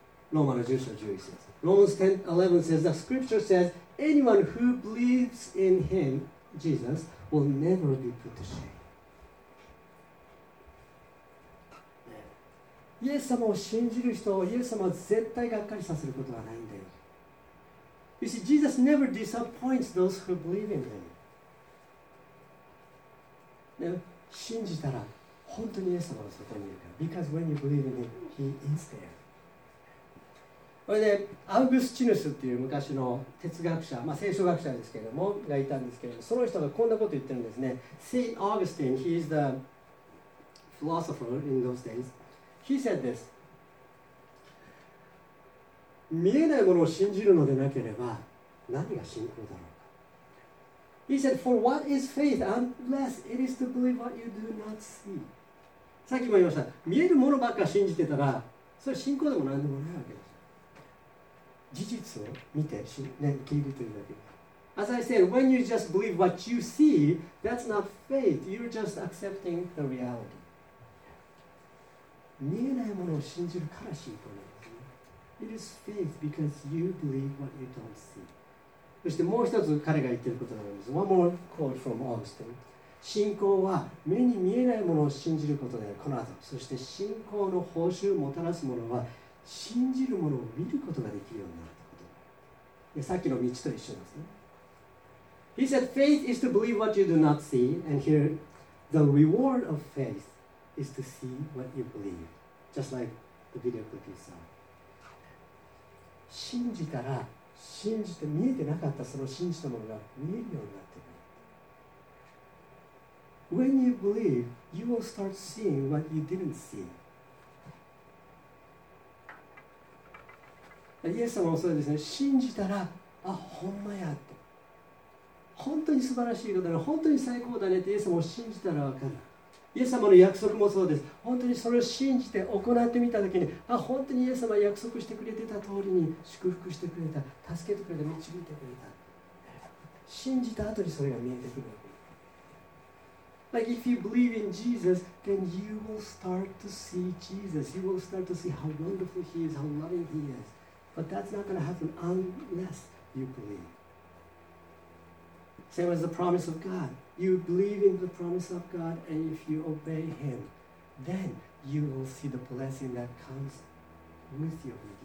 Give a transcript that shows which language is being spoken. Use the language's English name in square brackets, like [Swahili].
[Japanese] ローマの10章11節、 [English] Romans 10:11 says, The scripture says, Anyone who believes in him, Jesus, will never be put to shame. [Japanese] イエス様を信じる人をイエス様は絶対がっかりさせることはないんだよ。 [English] You see, Jesus never disappoints those who believe in him. [Japanese] 信じたら本当にイエス様の外にいるから。 [English] Because when you believe in him, he is there. [Japanese] これで、アウグスチヌスっていう昔の哲学者、まあ、聖書学者ですけれども、がいたんですけれども、その人がこんなこと言ってるんですね。 [English] Saint Augustine, he is the philosopher in those days. He said this. [Japanese] 見えないものを信じるのでなければ、何が信仰だろうか。 [English] He said, for what is faith unless it is to believe what you do not see? [Japanese] さっきも言いました。見えるものばっか信じてたら、それ信仰でも何でもないわけです。事実を見て、ね、聞いてというだけ。 [English] As I said, when you just believe what you see, that's not faith. You're just accepting the reality. [Japanese] 見えないものを信じるから信仰なんですね。 [English] It is faith because you believe what you don't see. [Japanese] そしてもう一つ彼が言っていることなんです。 [English] One more quote from Augustine. [Japanese] 信仰は目に見えないものを信じることである。この後、そして信仰の報酬をもたらすものは信じるものを見ることができるようになるってこと。さっきの道と一緒ですね。 [English] He said, faith is to believe what you do not see, and here, the reward of faith is to see what you believe. Just like the video clip you saw. [Japanese] 信じたら、信じて見えてなかったその信じたものが見えるようになってくる。 [English] When you believe, you will start seeing what you didn't see. [Japanese] イエス様もそうですね。信じたら、あ、ほんまやって。本当に素晴らしいことだね。本当に最高だねってイエス様を信じたら分かる。イエス様の約束もそうです。本当にそれを信じて行ってみたときに、あ、本当にイエス様約束してくれてた通りに祝福してくれた。助けてくれた。導いてくれた。信じた後にそれが見えてくる。 [English] Like if you believe in Jesus, then you will start to see Jesus. You will start to see how wonderful he is, how loving he is. But that's not going to happen unless you believe. Same as the promise of God. You believe in the promise of God, and if you obey Him, then you will see the blessing that comes with your obedience.